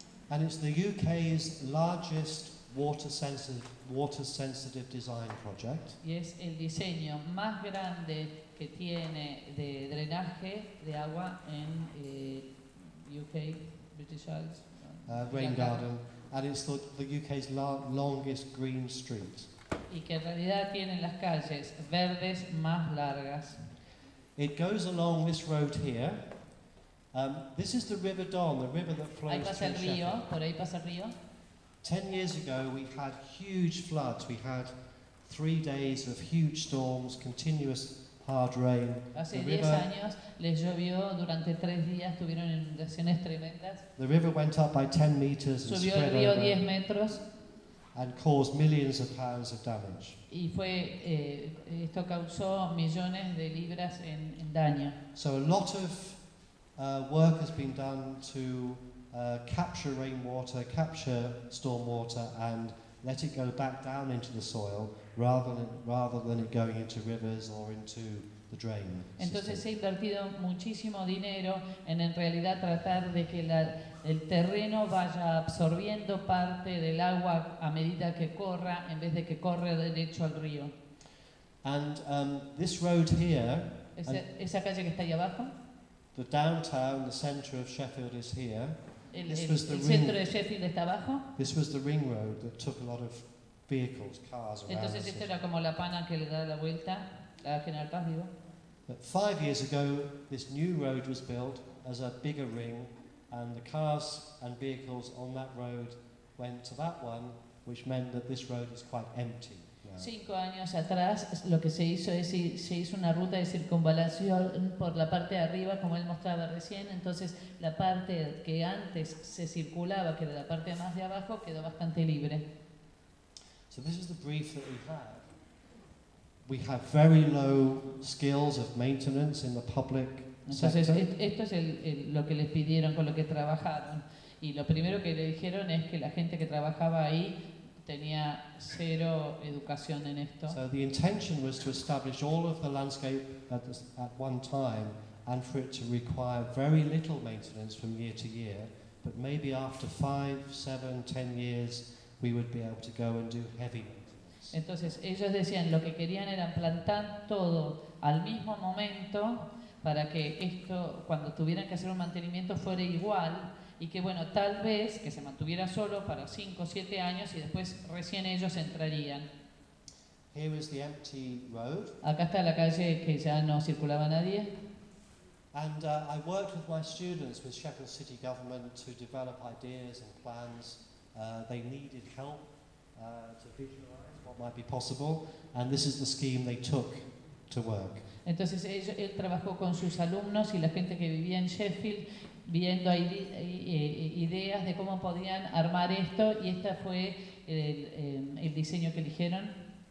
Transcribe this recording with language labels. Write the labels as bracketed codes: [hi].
[en] And it's the UK's largest water sensitive design project. [es] Y es el diseño más grande que tiene de drenaje de agua en UK, British Isles. [en] Rain garden. And it's the UK's longest green street. [es] Y que en realidad tiene las calles verdes más largas. [en] It goes along this road here. This is the River Don, the river that flows through Sheffield. [es] Ahí pasa el río, por ahí pasa el río. [en] 10 years ago, we had huge floods. We had 3 days of huge storms, continuous hard rain. [es] Hace 10 años les llovió durante 3 días, tuvieron inundaciones tremendas. [en] The river went up by 10 meters and [es] subió [en] spread [es] el río 10 metros. [en] And caused millions of pounds of damage. [es] Y fue, esto causó millones de libras en daño. [en] So a lot of work has been done to capture rainwater, capture storm water, and let it go back down into the soil rather than it going into rivers or into the drain. [es] Entonces Se ha invertido muchísimo dinero en realidad tratar de que el terreno vaya absorbiendo parte del agua a medida que corra en vez de que corre derecho al río. [en] And this road here, [es] esa calle que está ahí abajo, [en] the downtown, the center of Sheffield is here. This was the ring road that took a lot of vehicles, cars around. [es] Entonces esta era como la pana que le da la vuelta a General Paz, digo. [en] But 5 years ago, this new road was built as a bigger ring, and the cars and vehicles on that road went to that one, which meant that this road is quite empty. Yeah. [es] 5 años atrás, lo que se hizo es se hizo una ruta de circunvalación por la parte de arriba, como él mostraba recién. Entonces, la parte que antes se circulaba, que era la parte más de abajo, quedó bastante libre. [en] So this is the brief that we have. We have very low skills of maintenance in the public [es] entonces, [en] sector. [es] Esto es lo que les pidieron, con lo que trabajaron. Y lo primero que le dijeron es que la gente que trabajaba ahí tenía cero educación en esto. [en] So the intention was to establish all of the landscape at one time and for it to require very little maintenance from year to year, but maybe after 5, 7, 10 years we would be able to go and do heavy maintenance. [es] Entonces ellos decían lo que querían era plantar todo al mismo momento para que esto cuando tuvieran que hacer un mantenimiento fuera igual. Y que bueno, tal vez que se mantuviera solo para 5 o 7 años y después recién ellos entrarían. [en] Here is the empty road. [es] Acá está la calle que ya no circulaba nadie. [en] And I worked with my students with Sheffield City Government to develop ideas and plans. They needed help to visualize what might be possible. And this is the scheme they took to work. [es] Entonces él trabajó con sus alumnos y la gente que vivía en Sheffield viendo ideas de cómo podían armar esto y este fue el diseño que eligieron.